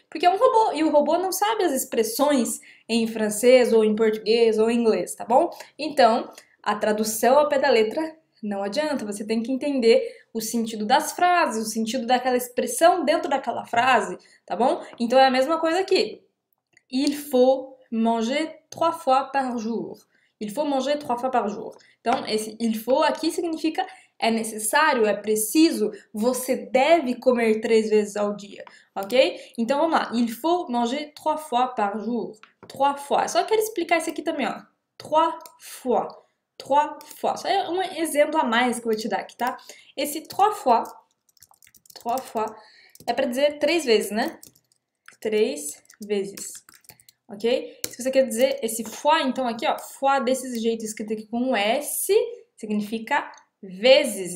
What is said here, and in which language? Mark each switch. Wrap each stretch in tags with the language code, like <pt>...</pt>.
<pt>Porque é um robô e o robô não sabe as expressões em francês ou em português ou em inglês, tá bom? Então a tradução ao pé da letra não adianta. Você tem que entender o sentido das frases, o sentido daquela expressão dentro daquela frase, tá bom? Então é a mesma coisa aqui.</pt> <fr>Il faut manger 3 fois par jour. Il faut manger 3 fois par jour.</fr> <pt>Então, esse il faut aqui significa é necessário, é preciso, você deve comer 3 vezes ao dia, ok? Então, vamos lá.</pt> <fr>Il faut manger 3 fois par jour. 3 fois.</fr> <pt>Só quero explicar isso aqui também, ó. 3 fois. 3 fois. Só é um exemplo a mais que eu vou te dar aqui, tá? Esse 3 fois. 3 fois. É para dizer 3 vezes, né? 3 vezes. Ok? Se você quer dizer esse fois, então aqui, ó, fois desse jeito escrito aqui com um S, significa vezes.</pt>